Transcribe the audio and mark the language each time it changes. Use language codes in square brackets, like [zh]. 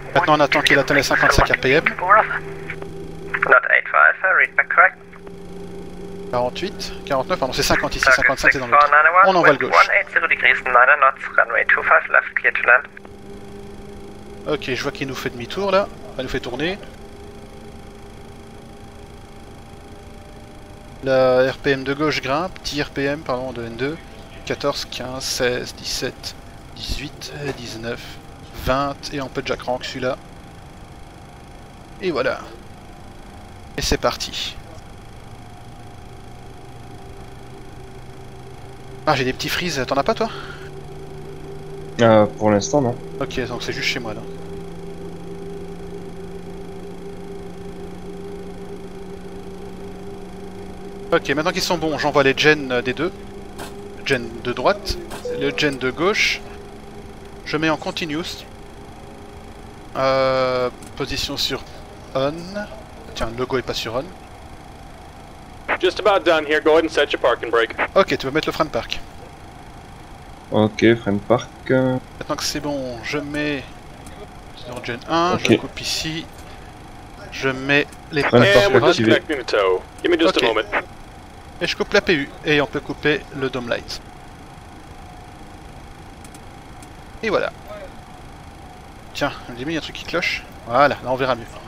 [fr] Maintenant, on attend qu'il atteigne les 55 RPM. [en] Not 85, read back correct. [fr] 48, 49, pardon, c'est 50 ici, 55 c'est dans l'autre. On envoie le gauche. 180 [en] degrees, 9 knots, runway 25 left, clear to land. [fr] Ok, je vois qu'il nous fait demi-tour là. Il nous fait tourner. La RPM de gauche grimpe, 10 RPM, pardon, de N2, 14, 15, 16, 17, 18, 19, 20, et on peut déjà crank celui-là. Et voilà. Et c'est parti. Ah, j'ai des petits freezes, t'en as pas toi? Pour l'instant, non. Ok, donc c'est juste chez moi, là. Ok, maintenant qu'ils sont bons, j'envoie les gens des deux. Gen de droite, le gen de gauche. Je mets en continuous. Position sur on. Tiens, le logo est pas sur on. [en] Just about done here, go ahead and set your parking brake. [fr] Ok, tu peux mettre le frein de parc. Ok, frein de parc. Maintenant que c'est bon, je mets sur gen 1, okay. Je coupe ici. Je mets les frein de parc. [en] And we're just connecting the tow. Give me just okay. A moment. [fr] Et je coupe la PU, et on peut couper le Dome Light. Et voilà. Tiens, je me dis, mais il y a un truc qui cloche. Voilà, là on verra mieux.